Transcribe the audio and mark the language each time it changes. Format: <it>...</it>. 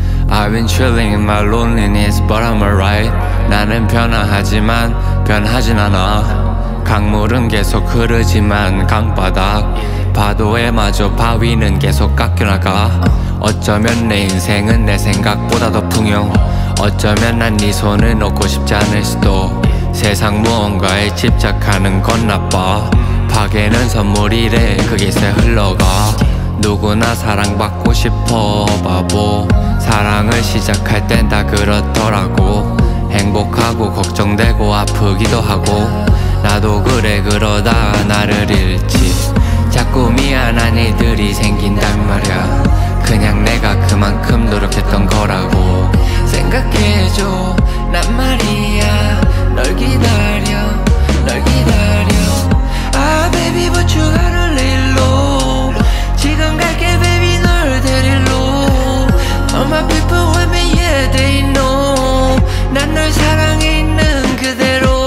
<en>I've been chilling in my loneliness, but I'm alright.</en> <ko>나는 변화하지만 변하진 않아. 강물은 계속 흐르지만 강바닥 파도에 마저 바위는 계속 깎여나가. 어쩌면 내 인생은 내 생각보다 더 풍요. 어쩌면 난 네 손을 놓고 싶지 않을 수도. 세상 무언가에 집착하는 건 나빠. 파괴는 선물이래 그게 새 흘러가. 누구나 사랑받고 싶어 바보. 사랑을 시작할 땐 다 그렇더라고. 행복하고 걱정되고 아프기도 하고. 나도 그래 그러다 나를 잃지. 자꾸 미안한 일들이 생긴단 말야. 그냥 내가 그만큼 노력했던 거라고 생각해줘. 난 말이야 널 기다려 널 기다려.</ko> <en>Ah baby but you gotta lay low.</en> <ko>지금 갈게 baby 널 데리러.</ko> <en>All my people with me yeah they know.</en> <ko>난 널 사랑해 있는 그대로.</ko>